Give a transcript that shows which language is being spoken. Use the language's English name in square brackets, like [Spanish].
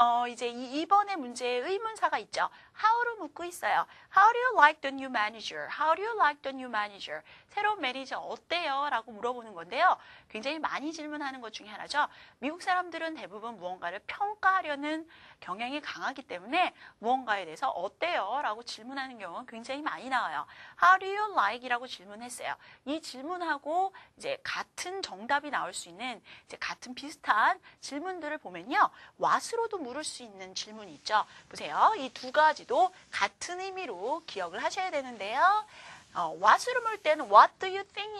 [Korean] 이제 2번의 문제에 의문사가 있죠. How로 묻고 있어요. [English] How do you like the new manager? How do you like the new manager? [Korean] 새로운 매니저 어때요? 라고 물어보는 건데요. 굉장히 많이 질문하는 것 중에 하나죠. 미국 사람들은 대부분 무언가를 평가하려는 경향이 강하기 때문에 무언가에 대해서 어때요? 라고 질문하는 경우는 굉장히 많이 나와요. [English] How do you like? [Korean] 이라고 질문했어요. 이 질문하고 이제 같은 정답이 나올 수 있는 이제 같은 비슷한 질문들을 보면요. 왓으로도 물을 수 있는 질문이 있죠. 보세요. 이 두 가지도 같은 의미로 기억을 하셔야 되는데요. What으로 물 때는 [English] What do you think?